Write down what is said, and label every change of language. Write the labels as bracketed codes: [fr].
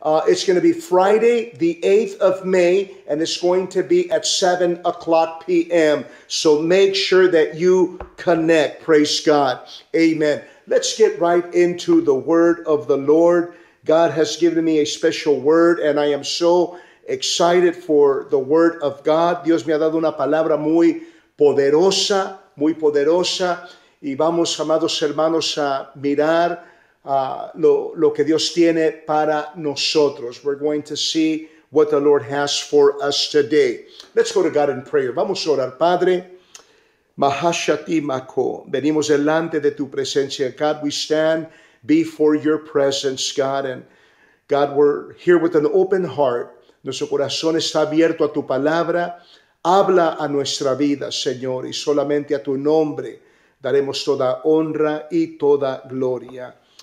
[en] It's going to be Friday, the 8th of May, and it's going to be at 7 o'clock p.m. So make sure that you connect. Praise God. Amen. Let's get right into the word of the Lord. God has given me a special word, and I am so excited for the word of God. [es] Dios me ha dado una palabra muy poderosa, y vamos, amados hermanos, a mirar lo que Dios tiene para nosotros. [en] We're going to see what the Lord has for us today. Let's go to God in prayer. [es] Vamos a orar, Padre. Mahashati mako. Venimos delante de tu presencia. [en] God, we stand before your presence, God. And God, we're here with an open heart. [es] Nuestro corazón está abierto a tu palabra. Habla a nuestra vida, Señor, y solamente a tu nombre daremos toda honra y toda gloria.